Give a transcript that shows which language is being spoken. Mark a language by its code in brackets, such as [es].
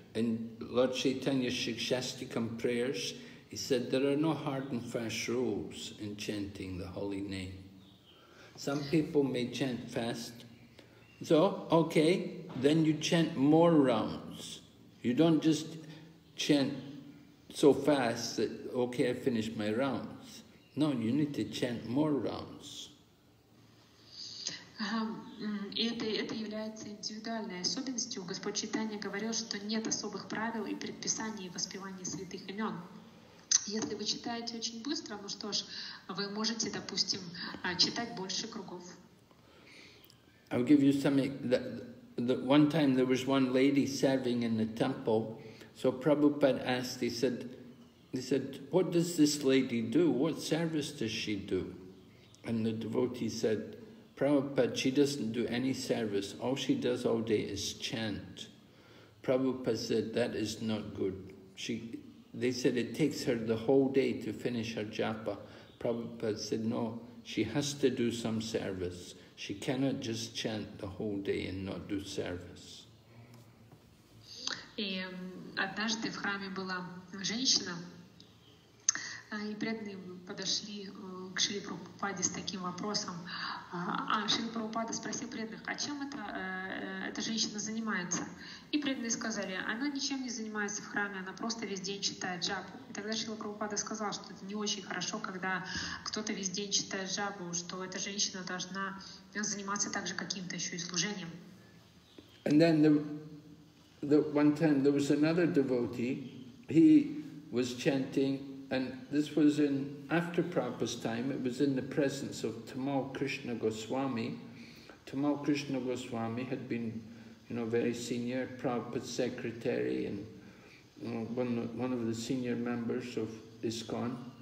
[en] In Lord Chaitanya's Shikshastikam prayers, he said there are no hard and fast rules in chanting the holy name. Some people may chant fast. So, okay, then you chant more rounds. You don't just chant so fast that, okay, I finished my round. No, you need to chant more rounds. [ru] Это является индивидуальной особенностью. Господь Чайтанья говорил, что нет особых правил и предписаний в воспевании святых имен. Если вы читаете очень быстро, ну что ж, вы можете, допустим, читать больше кругов. [en] I'll give you something. The one time there was one lady serving in the temple, so Prabhupada asked, he said, what does this lady do? What service does she do? And the devotee said, Prabhupada, she doesn't do any service. All she does all day is chant. Prabhupada said, that is not good. They said, it takes her the whole day to finish her japa. Prabhupada said, no, she has to do some service. She cannot just chant the whole day and not do service. [ru] И однажды в храме была женщина, и преданные подошли к Шриле Прабхупаде с таким вопросом. А Шрила Прабхупада спросил преданных, а чем эта женщина занимается? И преданные сказали, она ничем не занимается в храме, она просто весь день читает джапу. И тогда Шрила Прабхупада сказал, что это не очень хорошо, когда кто-то весь день читает джапу, что эта женщина должна заниматься также каким-то еще и служением. [en] And then one time there was another devotee, he was chanting, and this was in after Prabhupada's time, it was in the presence of Tamal Krishna Goswami. Tamal Krishna Goswami had been, you know, very senior Prabhupada's secretary and one of the senior members of ISKCON.